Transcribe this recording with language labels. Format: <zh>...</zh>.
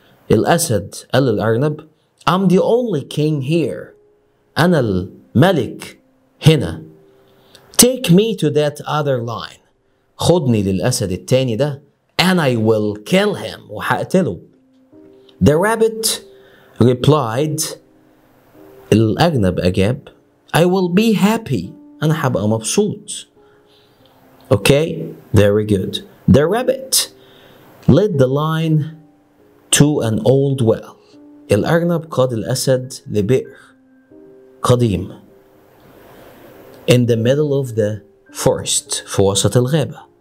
<en>الأسد قال للأرنب I'm the only king here أنا الملك هنا Take me to that other lion خدني للأسد التاني ده And I will kill him وحقتله The rabbit replied الأرنب أجاب I will be happy أنا حبقى مبسوط. Okay, very good. The rabbit led the lion to an old well.</en> <ar>الأرنب قاد الأسد لبئر قديم.</ar> <en>In the middle of the forest, في وسط الغابة.</en>